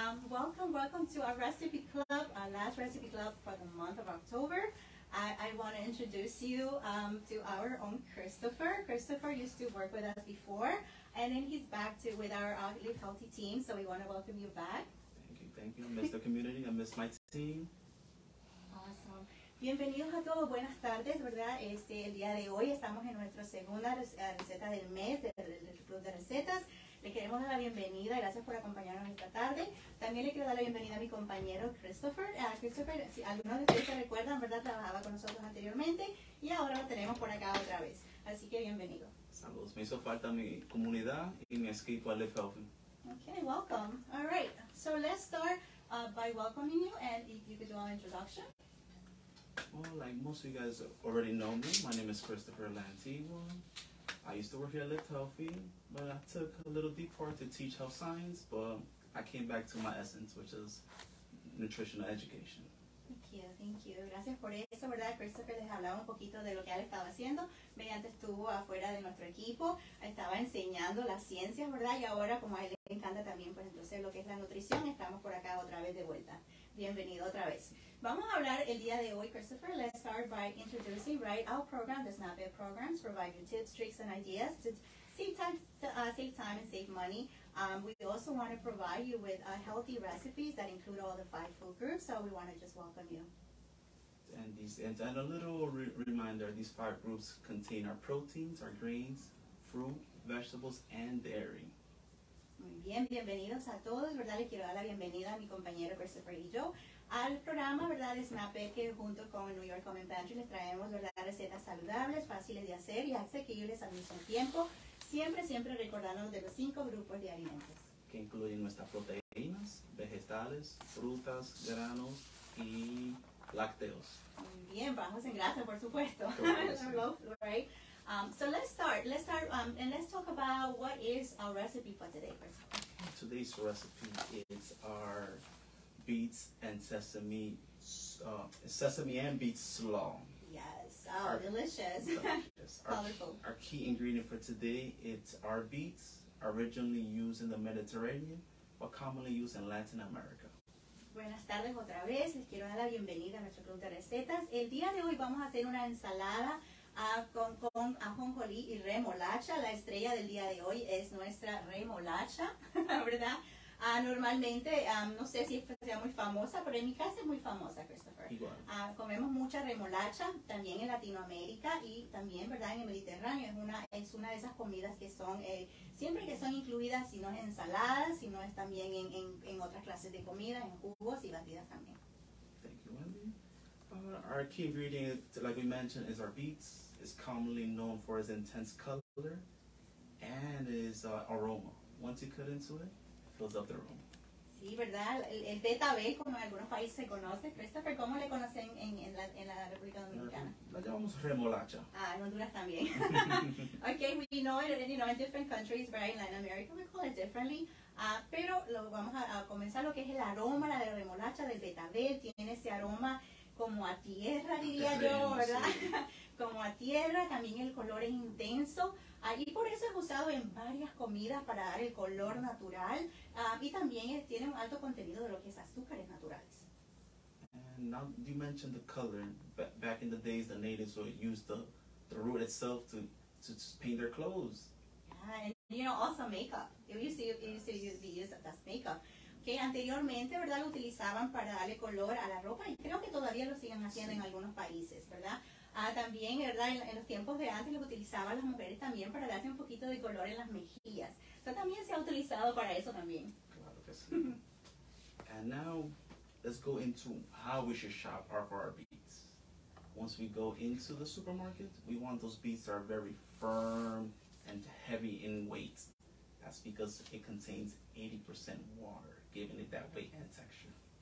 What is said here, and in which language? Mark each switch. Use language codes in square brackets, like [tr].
[en] Welcome to our recipe club, our last recipe club for the month of October. I want to introduce you to our own Christopher. Christopher used to work with us before, and then he's back to with our Live Healthy team, so we want to welcome you back. Thank you. I miss the community. I miss my team. [es] Awesome. Bienvenidos a todos, buenas tardes, ¿verdad? El día de hoy estamos en nuestra segunda receta del mes del Club de Recetas. Les queremos dar la bienvenida, gracias por acompañarnos esta tarde. También le quiero dar la bienvenida a mi compañero Christopher. Christopher, si algunos de ustedes se recuerdan, ¿verdad? Trabajaba con nosotros anteriormente y ahora lo tenemos por acá otra vez. Así que bienvenido. Saludos, me hizo falta mi comunidad y mi equipo Live Healthy. [en] Okay, welcome. All right, so let's start by welcoming you and if you could do an introduction. Well, like most of you guys already know me, my name is Christopher Lantigua. I used to work here at Live Healthy, but I took a little detour to teach health science, but I came back to my essence, which is nutritional education. Thank you. [es] Gracias por eso, ¿verdad? Christopher les hablaba un poquito de lo que él estaba haciendo. Mediante estuvo afuera de nuestro equipo, estaba enseñando las ciencias, ¿verdad? Y ahora, como a él le encanta también, pues entonces lo que es la nutrición, estamos por acá otra vez de vuelta. Bienvenido otra vez. Vamos a hablar el día de hoy, Christopher. [en] Let's start by introducing, right? Our program, the SnapBit programs, providing tips, tricks, and ideas to save time and save money. We also want to provide you with healthy recipes that include all the five food groups, so we want to just welcome you. And a little reminder, these five groups contain our proteins, our grains, fruit, vegetables, and dairy. [es] Muy bien, bienvenidos a todos, ¿verdad? Le quiero dar la bienvenida a mi compañero Christopher y yo al programa, ¿verdad? De SnapBit, que junto con New York Common Pantry les traemos, ¿verdad? Recetas saludables, fáciles de hacer y asequibles al mismo tiempo. Siempre recordándonos de los cinco grupos de alimentos. Que incluyen nuestras proteínas, vegetales, frutas, granos y lácteos. Bien, bajos en grasa, por supuesto. [en] So let's talk about what is our recipe for today. Today's recipe is our beets and sesame and beet slaw. Yes. Oh, delicious. Colorful. Our key ingredient for today, it's our beets, originally used in the Mediterranean, but commonly used in Latin America. [es] Buenas tardes otra vez. Les quiero dar la bienvenida a nuestro club de recetas. El día de hoy vamos a hacer una ensalada con ajonjolí y remolacha. La estrella del día de hoy es nuestra remolacha, ¿verdad? Normalmente, no sé si sea muy famosa, pero en mi casa es muy famosa, Christopher. Igual. Comemos mucha remolacha, también en Latinoamérica y también, ¿verdad?, en el Mediterráneo. Es una de esas comidas que son, siempre que son incluidas, si no es ensaladas, si no es también en otras clases de comida, en jugos y batidas también. [en] Thank you, Wendy. Our key ingredient, like we mentioned, is our beets. It's commonly known for its intense color and its aroma. Once you cut into it, fills up the room. [es] Sí, ¿verdad? El betabel, como en algunos países se conoce. Christopher, ¿cómo le conocen en la República Dominicana? La llamamos remolacha. Ah, en Honduras también. [en] Okay, we know it, you know, in different countries, right? In Latin America, we call it differently. [es] Pero lo vamos a comenzar lo que es el aroma, la de remolacha, del betabel. Tiene ese aroma como a tierra, diría yo, ¿verdad? Como a tierra, también el color es intenso. Y por eso es usado en varias comidas para dar el color natural. Y también tiene un alto contenido de lo que es azúcares naturales. [en] And now you mentioned the color. Back in the days, the natives would use the root itself to paint their clothes. Yeah, and you know, also makeup. It used to be used as makeup. [es] Que anteriormente, ¿verdad?, lo utilizaban para darle color a la ropa. Y creo que todavía lo siguen haciendo en algunos países, ¿verdad? También, ¿verdad?, en los tiempos de antes lo utilizaban las mujeres también para darse un poquito de color en las mejillas. Entonces, también se ha utilizado para eso también. Claro que sí. [en] And now, let's go into how we should shop for our beets. Once we go into the supermarket, we want those beets that are very firm and heavy in weight. That's because it contains 80% water, giving it that weight and texture.